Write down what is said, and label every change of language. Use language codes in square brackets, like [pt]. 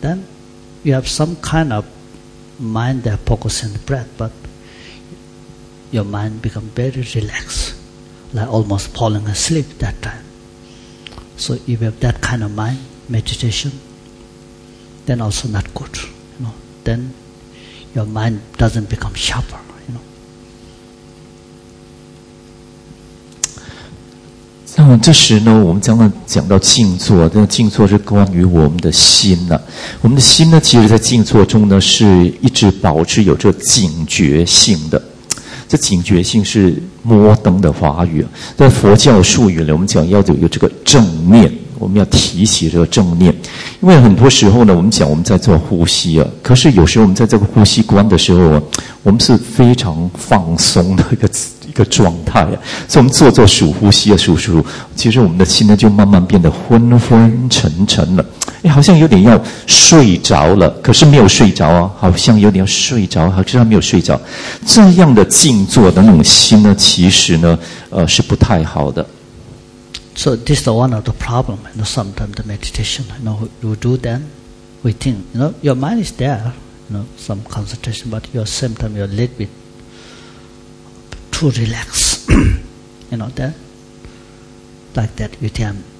[en] Then you have some kind of mind that focuses on the breath, but your mind becomes very relaxed, like almost falling asleep that time. So if you have that kind of mind, meditation, then also not good. Then your mind doesn't become sharper, you know. [zh] 像这时呢，我们将要讲到静坐，这个静坐是关于我们的心呢。我们的心呢，其实在静坐中呢，是一直保持有着警觉性的。这警觉性是摩登的华语，在佛教术语里，我们讲要有这个正念。我们要提起这个正念，因为很多时候呢，我们讲我们在做呼吸啊，可是有时候我们在这个呼吸观的时候，我们是非常放松的一个状态啊，所以我们做数呼吸啊，数，其实我们的心呢就慢慢变得昏昏沉沉了，哎，好像有点要睡着了，可是没有睡着啊，好像有点要睡着，好像没有睡着，这样的静坐的那种心呢，其实呢，是不太好的。 [en] So this is one of the problem, you know, sometimes the meditation, you know, you do then, we think, you know, your mind is there, you know, some concentration, but you're same time you're a little bit too relaxed, you know, then, like that, you think I'm